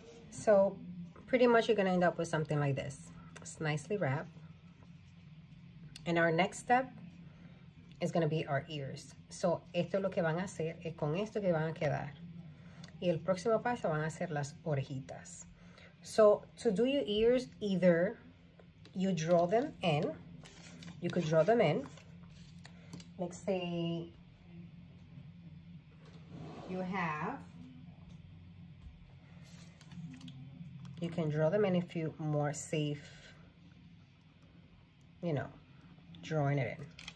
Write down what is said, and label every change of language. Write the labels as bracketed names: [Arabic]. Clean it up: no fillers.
[English] So pretty much you're gonna end up with something like this. It's nicely wrapped. And our next step is gonna be our ears. [Spanish] So esto es lo que van a hacer, es con esto que van a quedar. Y el próximo paso van a ser las orejitas. [English] So, to do your ears, either you draw them in. You could draw them in. Let's say you have. You can draw them in if you more safe, you know, drawing it in.